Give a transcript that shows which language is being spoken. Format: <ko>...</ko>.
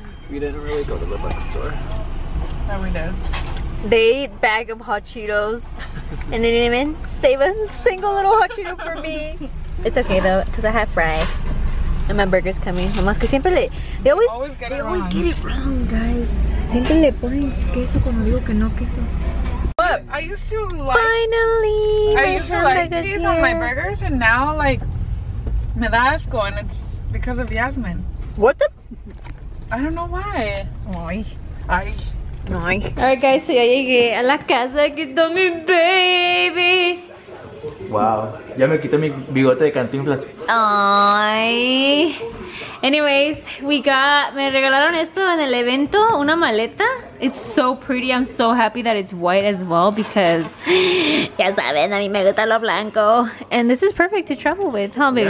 <en>We didn't really go to the bookstore. No, we did. They ate a bag of hot Cheetos and they didn't even save a single little hot Cheeto for me. It's okay though, because I have fries and my burger's coming.</en> <es>Nomás que siempre</es> <en>they always get it wrong, guys.</en> <es>Siempre le ponen queso cuando digo que no queso.</es> <en>But I used to like. Finally! I used to like cheese on my burgers and now, like,</en> <es>me da asco</es> <en>and it's because of Yasmin. What the? I don't know why. Why? I. Nice. Alright guys, so</en> <es>ya llegué a la casa, quitó mi baby. Wow, ya me quitó mi bigote de cantinflas. Ay. Anyways, me regalaron esto en el evento, una maleta.</es> <en>It's so pretty, I'm so happy that it's white as well because,</en> <es>ya saben, a mí me gusta lo blanco.</es> <en>And this is perfect to travel with, huh, baby?</en>